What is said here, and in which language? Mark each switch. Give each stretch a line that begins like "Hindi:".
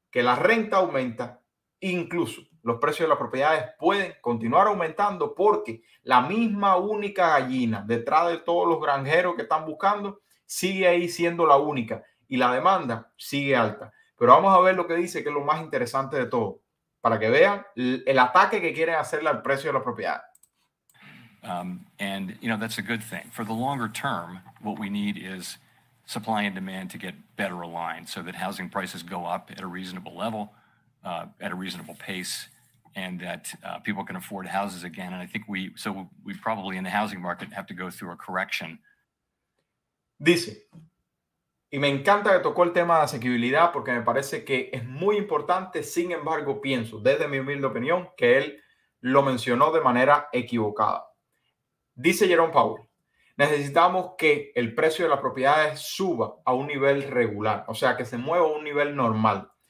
Spanish: Que la renta aumenta, incluso los precios de las propiedades pueden continuar aumentando porque la misma única gallina detrás de todos los granjeros que están buscando sigue ahí siendo la única y la demanda sigue alta. Pero vamos a ver lo que dice, que es lo más interesante de todo, para que vean el ataque que quieren hacerle al precio de las propiedades.
English: And you know, that's a good thing. For the longer term, what we need is supply and demand to get better aligned so that housing prices go up at a reasonable level, at a reasonable pace, and that people can afford houses again. And I think we probably in the housing market have to go through a correction.
Spanish: Dice, Y me encanta que tocó el tema de asequibilidad porque me parece que es muy importante. Sin embargo, pienso, desde mi humilde opinión, que él lo mencionó de manera equivocada. Dice Jerome Powell, necesitamos que el precio de las propiedades suba a un nivel regular, o sea, que se mueva a un nivel normal.